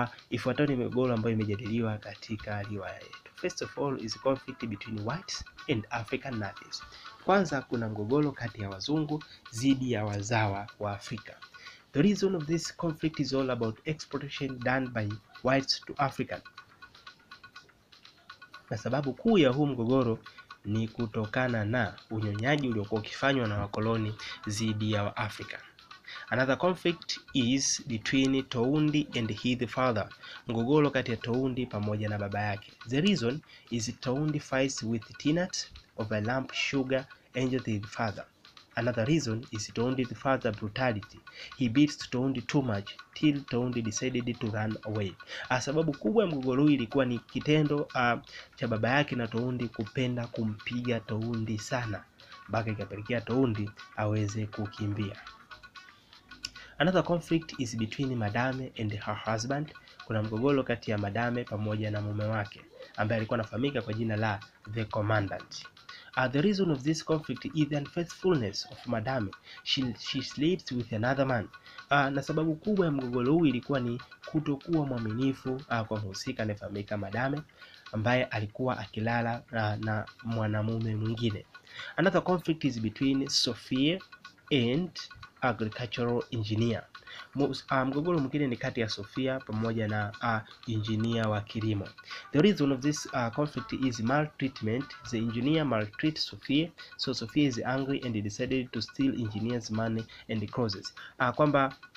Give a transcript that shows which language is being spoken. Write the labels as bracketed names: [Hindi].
[Swahili] Ifuatayo ni migogoro ambayo imejadiliwa katika riwaya yetu. [English] First of all is conflict between whites and African natives. [Swahili] Kwanza kuna mgogoro kati ya wazungu zidi ya wazawa wa Afrika. [English] The reason of this conflict is all about exploitation done by whites to African. [Swahili] Na sababu kuu ya huu mgogoro ni kutokana na unyonyaji uliokuwa ukifanywa na wakoloni zidi ya wa Afrika. [English] Another conflict is between Toundi and his father. Mgogoro kati ya Toundi pamoja na baba yake. The reason is Toundi fights with Tinat over lump sugar and his father. Another reason is Toundi's father's brutality. He beats Toundi too much till Toundi decided to run away. [Swahili] Sababu kubwa ya mgogoro ilikuwa ni kitendo cha baba yake na Toundi kupenda kumpiga Toundi sana. Baka ikapelekea Toundi aweze kukimbia. Another conflict is between madame and her husband. Kuna mgogoro kati ya madame pamoja na mume wake ambaye alikuwa anafahamika kwa jina la the commandant. [English] The reason of this conflict is the unfaithfulness of madame. She sleeps with another man. [Swahili] Na sababu kubwa ya mgogoro huu ilikuwa ni kutokuwa mwaminifu kwa mhusika anayefahamika madame ambaye alikuwa akilala na mwanamume mwingine. [English] Another conflict is between Sophia and agricultural engineer. [Swahili] Mgogoro mwingine ni kati ya Sophia pamoja na engineer wa kilimo. [English] The reason of this conflict is maltreatment. The engineer maltreats Sophia, so Sophia is angry and decided to steal engineer's money and clothes. Kwamba